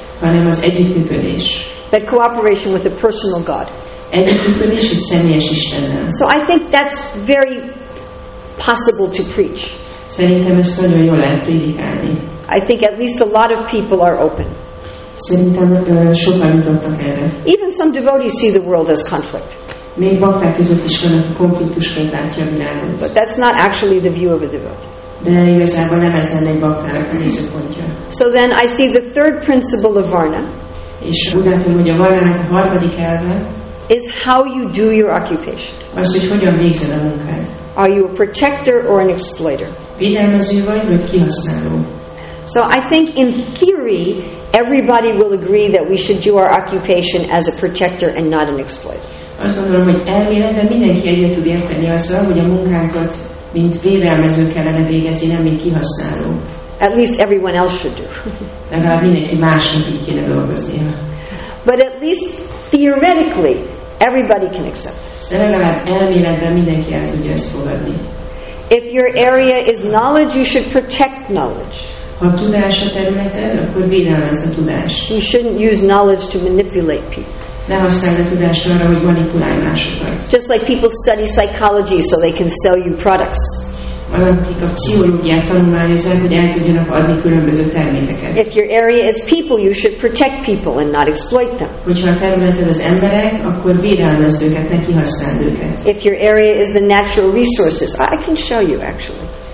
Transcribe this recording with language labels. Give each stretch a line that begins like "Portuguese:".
Hungarian: Hanem az együttműködés.
English: But cooperation with a personal God.
Hungarian: Együttműködés egy személyes Istennel.
English: So I think that's very possible to preach.
Hungarian: Szerintem ezt nagyon jól lehet prédikálni.
English: I think at least a lot of people are open.
Hungarian: Szerintem sokan jutottak erre.
English: Even some devotees see the world as conflict.
Hungarian: Még bakták között is van, hogy konfliktusként látja a világot.
English: But that's not actually the view of a devotee.
Hungarian: De igazából nem ez lenne egy baktának a nézőpontja.
English: So then I see the third principle of varna.
Hungarian: És úgy látom, hogy a varnának a harmadik elve
English: is how you do your occupation.
Hungarian: Az, hogy hogyan végzel a munkát.
English: Are you a protector or an exploiter?
Hungarian: Védelmező vagy, vagy kihasználó?
English: So I think in theory everybody will agree that we should do our occupation as a protector and not an exploiter.
Hungarian: Azt gondolom, hogy elméletben mindenki egyet tud érteni azzal, hogy a munkánkat mint védelmező kellene végezni, nem mint kihasználó.
English: At least everyone else should do.
Hungarian: Legalább mindenki másnak így kéne dolgoznia.
English: But at least theoretically everybody can accept this.
Hungarian: Legalább elméletben mindenki el tudja ezt fogadni.
English: If your area is knowledge, you should protect knowledge.
Hungarian: Ha a tudás a területed, akkor védelmezd a tudást.
English: You shouldn't use knowledge to manipulate people.
Hungarian: Ne használd a tudást arra, hogy manipulálj másokat.
English: Just like people study psychology so they can sell you products.
Hungarian: Olyan, akik a pszichológiát tanulmányozzák, hogy el tudjanak adni különböző termékeket.
English: If your area is people, you should protect people and not exploit them.
Hungarian: Hogyha a területed az emberek, akkor védelmezd őket, ne kihasználd őket.
English: If your area is the natural resources, I can show you actually.